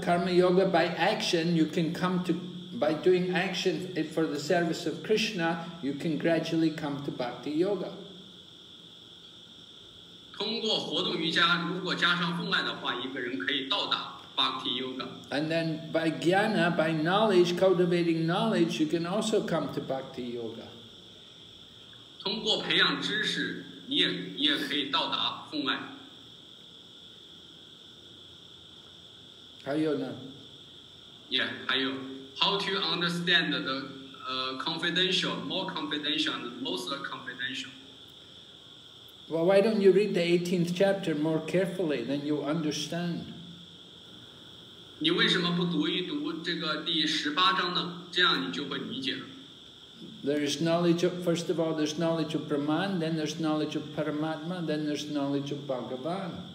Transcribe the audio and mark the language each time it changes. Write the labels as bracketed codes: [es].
[en] Karma yoga by action, you can come to, by doing action for the service of Krishna, you can gradually come to bhakti yoga. [zh] 通过活动瑜伽，如果加上奉爱的话，一个人可以到达 bhakti yoga. [en] And then by jnana, by knowledge, cultivating knowledge, you can also come to bhakti yoga. [zh] 通过培养知识，你也可以到达奉爱。还有呢？ Yeah, 还有。 [en] How to understand the confidential, more confidential, and most confidential? Well, why don't you read the 18th chapter more carefully, then you'll understand. [zh] 你为什么不读一读这个第十八章呢？这样你就会理解了。 [en] There is knowledge of, first of all, there's knowledge of Brahman, then there's knowledge of Paramatma, then there's knowledge of Bhagavan.